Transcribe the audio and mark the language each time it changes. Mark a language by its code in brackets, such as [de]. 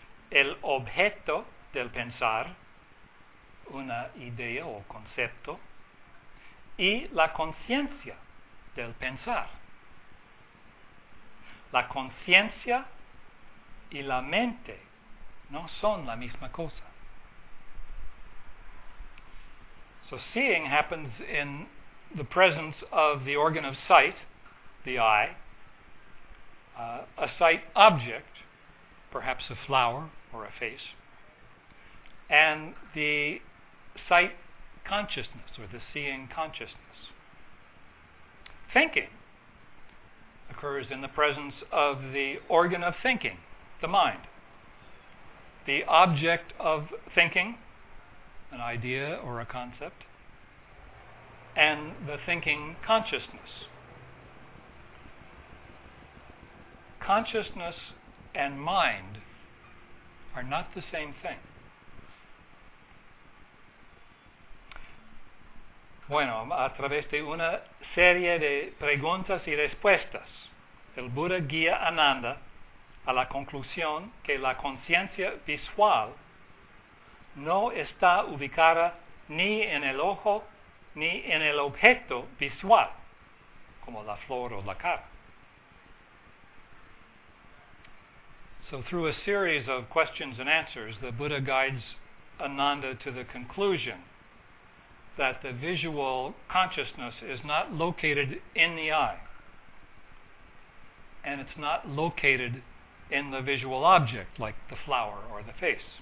[es] El objeto del pensar, una idea o concepto, y la conciencia del pensar. La conciencia y la mente no son la misma cosa. [en] So seeing happens in the presence of the organ of sight, the eye, a sight object, perhaps a flower or a face, and the sight consciousness or the seeing consciousness. Thinking occurs in the presence of the organ of thinking, the mind. The object of thinking, an idea or a concept, and the thinking consciousness. Consciousness and mind are not the same thing. [es] Bueno, a través de una serie de preguntas y respuestas, el Buda guía a Ananda a la conclusión que la conciencia visual no está ubicada ni en el ojo ni en el objeto visual, como la flor o la cara. [en] So through a series of questions and answers, the Buddha guides Ananda to the conclusion that the visual consciousness is not located in the eye, and it's not located in the visual object, like the flower or the face.